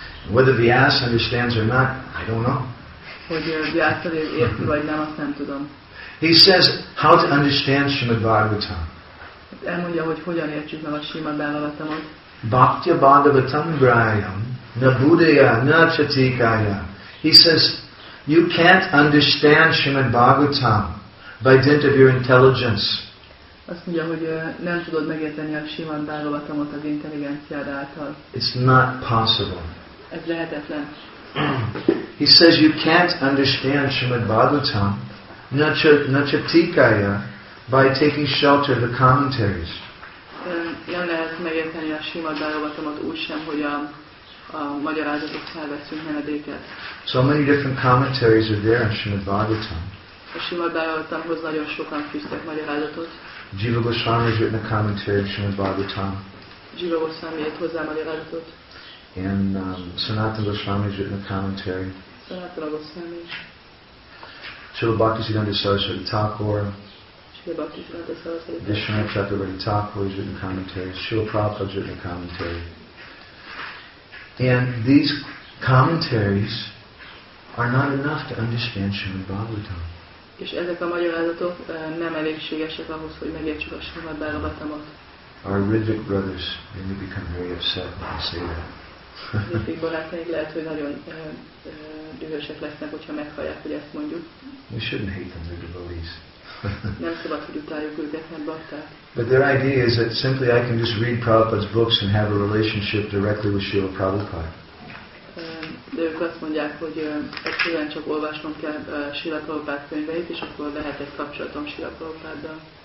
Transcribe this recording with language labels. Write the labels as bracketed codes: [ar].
[en] Whether the ass understands or not, I don't know. [hu] Hogy Vyasa érti vagy nem, azt nem tudom. [en] He says how to understand Srimad Bhagavatam. [hu] Elmondja, hogy hogyan értsük meg a Srimad Bhagavatamot. [sa] Bhaktya Bhagavatam Grahyam Na Buddhaya Na Chatikaya. [en] He says you can't understand Srimad Bhagavatam by dint of your intelligence. [hu] Azt mondja, hogy nem tudod megérteni a Srimad Bhagavatamot az intelligenciád által. [en] It's not possible. [hu] Ez lehetetlen. [en] He says you can't understand Srimad Bhagavatam [sa] nacha tikaya [en] by taking shelter of the commentaries. [hu] Nem lehet megérteni a Srimad Bhagavatamot úgy sem, hogy a magyarázatok felveszünk menedéket. [en] So many different commentaries are there on Srimad Bhagavatam. [hu] A Srimad Bhagavatamhoz nagyon sokan fűztek magyarázatot. [en] Jiva Goswami has written a commentary on Srimad Bhagavatam. [hu] Jiva Goswami írt hozzá magyarázatot. [en] And Sanatana Goswami has written a commentary. [hu] Sanatana Goswami. [en] Srila Bhaktisiddhanta Saraswati Thakur. [hu] Srila Bhaktisiddhanta Saraswati [en] Thakur. Vishwanatha Chakravarti Thakur has written a commentary. Srila Prabhupada has written a commentary. And these commentaries are not enough to understand Srimad Bhagavatam. [hu] És ezek a magyarázatok nem elégségesek ahhoz, hogy megértsük a Srimad Bhagavatamot. [en] Our Ridvik brothers may become very upset when I say that. [hu] Ritvik barátaink lehet, hogy nagyon dühösek lesznek, hogyha meghallják, hogy ezt mondjuk. [en] We shouldn't hate them, they're devotees. [hu] Nem szabad, hogy utáljuk őket, mert bhakták. [en] But their idea is that simply I can just read Prabhupada's books and have a relationship directly with Srila Prabhupada. [hu] De ők azt mondják, hogy egyszerűen csak olvasnom kell Srila Prabhupada könyveit, és akkor lehet egy kapcsolatom Srila Prabhupáddal.